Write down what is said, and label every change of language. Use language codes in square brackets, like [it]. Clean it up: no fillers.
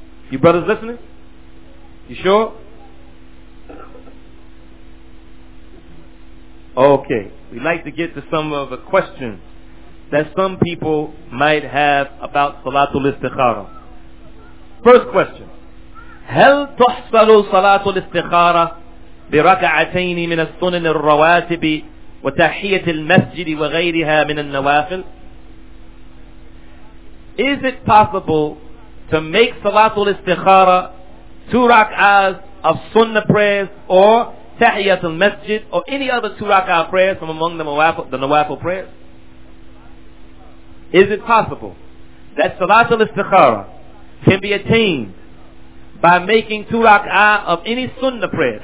[en] You brothers listening? You sure? Okay. We'd like to get to some of the questions that some people might have about Salatul Istikhara. First question. [ar] هل تحصل صلاة الاستخارة بركعتين من السنن الرواتب وتحية المسجد وغيرها من النوافل? [en] Is it possible to make Salatul Istikhara two rak'ahs of sunnah prayers or tahiyat al-masjid or any other two rak'ah prayers from among the nawafil prayers? Is it possible that Salatul Istikhara can be attained by making two rak'ah of any sunnah prayers?